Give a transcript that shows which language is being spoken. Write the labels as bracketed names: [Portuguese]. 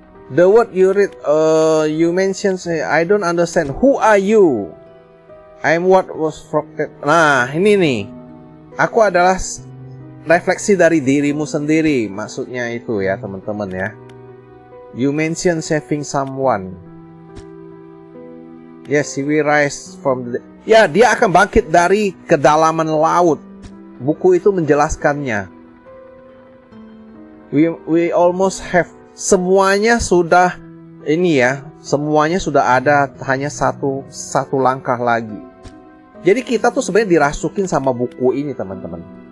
[English] The word you read, you mentioned, I don't understand. Who are you? I'm what was frocked. [Indonesian] Nah, ini nih. Aku adalah refleksi dari dirimu sendiri. Maksudnya itu ya, teman-teman ya. [English] You mentioned saving someone. Yes, he will rise from the... [Indonesian] Ya, dia akan bangkit dari kedalaman laut. Buku itu menjelaskannya. [English] We almost have... [Indonesian] Semuanya sudah... Ini ya, semuanya sudah ada. Hanya satu langkah lagi. Jadi kita tuh sebenarnya dirasukin sama buku ini, teman-teman.